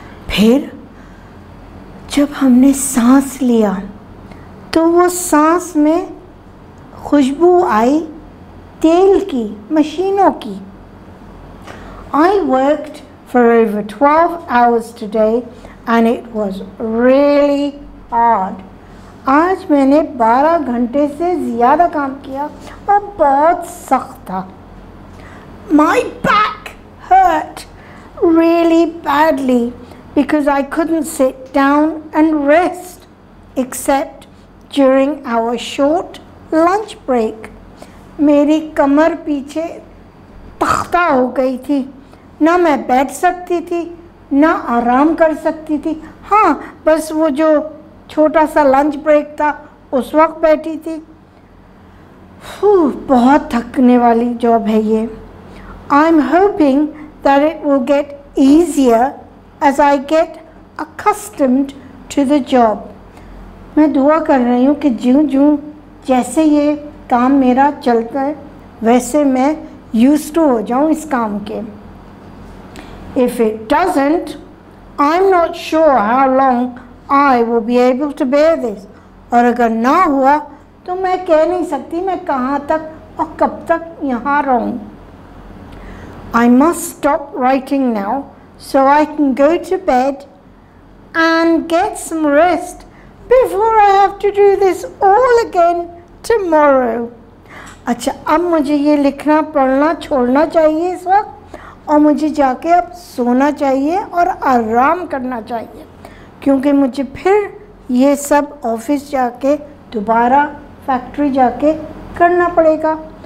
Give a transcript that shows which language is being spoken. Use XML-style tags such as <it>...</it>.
<hi>फिर जब हमने सांस लिया तो वो सांस में खुशबू आई तेल की, मशीनों की.</hi> <en>I worked for over 12 hours today and it was really hard.</en> <hi>आज मैंने 12 घंटे से ज़्यादा काम किया और बहुत सख्त था.</hi> <en>My back hurt really badly because I couldn't sit down and rest except during our short lunch break.</en> <hi>मेरी कमर पीछे तख्ता हो गई थी, ना मैं बैठ सकती थी ना आराम कर सकती थी. हाँ बस वो जो छोटा सा लंच ब्रेक था उस वक्त बैठी थी. बहुत थकने वाली जॉब है ये.</hi> <en>I am hoping that it will get easier as I get accustomed to the job.</en> <hi>मैं दुआ कर रही हूँ कि जूं जूं जैसे ये काम मेरा चलता है वैसे मैं</hi> <en>used to</en> <hi>हो जाऊँ इस काम के.</hi> <en>If it doesn't, I'm not sure how long I will be able to bear this.</en> <hi>और अगर ना हुआ तो मैं कह नहीं सकती मैं कहाँ तक और कब तक यहाँ रहूँ.</hi> <en>I must stop writing now so I can go to bed and get some rest before I have to do this all again tomorrow.</en> <hi>अच्छा अब मुझे ये लिखना पढ़ना छोड़ना चाहिए इस वक्त और मुझे जाके अब सोना चाहिए और आराम करना चाहिए क्योंकि मुझे फिर ये सब ऑफिस जाके दोबारा फैक्ट्री जाके करना पड़ेगा.</hi>